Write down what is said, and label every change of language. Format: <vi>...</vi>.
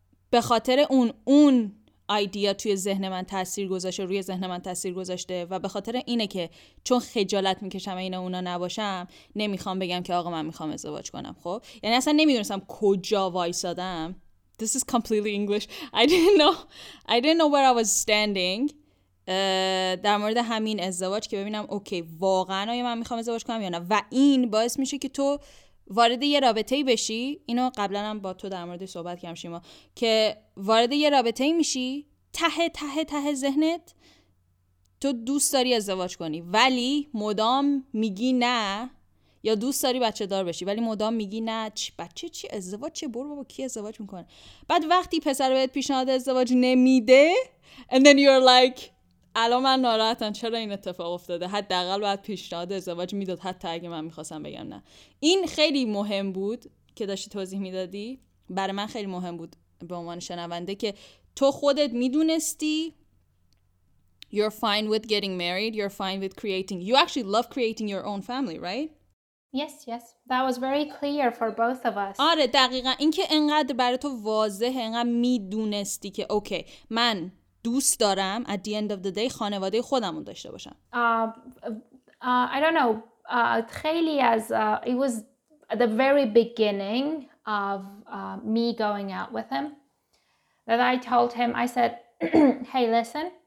<fa>به خاطر اون ایدیا توی ذهن من تاثیر گذاشته، روی ذهن من تاثیر گذاشته و به خاطر اینه که چون خجالت میکشم اینا اونا نباشم نمیخوام بگم که آقا من میخوام ازدواج کنم. خب یعنی اصلا نمیدونستم کجا وایسادم.</fa> <en>This is completely English. I didn't know where I was standing.</en> <fa>در مورد همین ازدواج که ببینم اوکی واقعا آیا من میخوام ازدواج کنم یا نه، و این باعث میشه که تو وارد یه رابطه ای بشی. اینو قبلا هم با تو در مورد صحبت کردم شیما، که وارد یه رابطه ای میشی ته ذهنت تو دوست داری ازدواج کنی ولی مدام میگی نه، یا دوست داری بچه دار بشی ولی مدام میگی نه بچه چی ازدواج چه برو بابا کی ازدواج میکنه، بعد وقتی پسر بهت پیشنهاد ازدواج نمیده</fa> <en>and then you're like</en> <fa>الان من ناراحتم چرا این اتفاق افتاده، حداقل بعد پیشنهاد ازدواج میداد حتی اگه من میخواستم بگم نه. این خیلی مهم بود که داشتی توضیح میدادی، برای من خیلی مهم بود به عنوان شنونده، که تو خودت میدونستی</fa> <en>you're fine with getting married, you're fine with creating, you actually love creating your own family, right? Yes, yes. That was very clear for both of us.</en> <fa>آره دقیقاً، این که انقدر برای تو واضحه، انقدر میدونستی که اوکی من دوست دارم</fa> <en>at the end of the day</en> <fa>خانواده خودمون داشته باشم.</fa> <en>I don't know.</en> <fa>خیلی از</fa> <en>it was the very beginning of me going out with him that I told him, I said, "Hey, listen.</en>